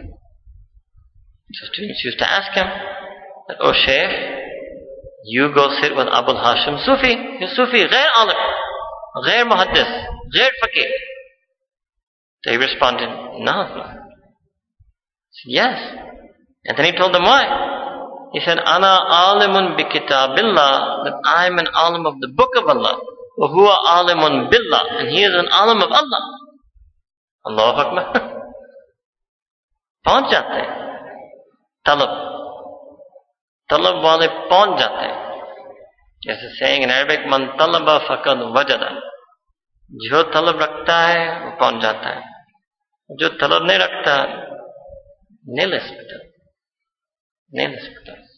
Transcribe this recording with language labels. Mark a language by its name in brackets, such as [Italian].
[English] So students used to ask him, "Oh Shaykh, you go sit with Abu al-Hashim Sufi. He's Sufi, [Arabic] غير عالم, غير محدث, غير فقیر." [English] They responded, "No." He said, "Yes." And then he told them why. He said, [Arabic] "Ana alimun bi kitabillah," [English] that I'm an alim of the book of Allah. [Arabic] "Wa huwa alimun billah," [English] and he is an alim of Allah. Allahu Akbar. [Urdu] Pahunch jate. Talab. طلب والے پہنچ جاتے ہیں. جیسے [English] saying in Arabic, [Arabic] من طلب فقد وجد. [Urdu] جو طلب رکھتا ہے وہ پہنچ جاتا ہے, جو طلب نہیں رکھتا نہیں لے سکتا, نہیں لے سکتا.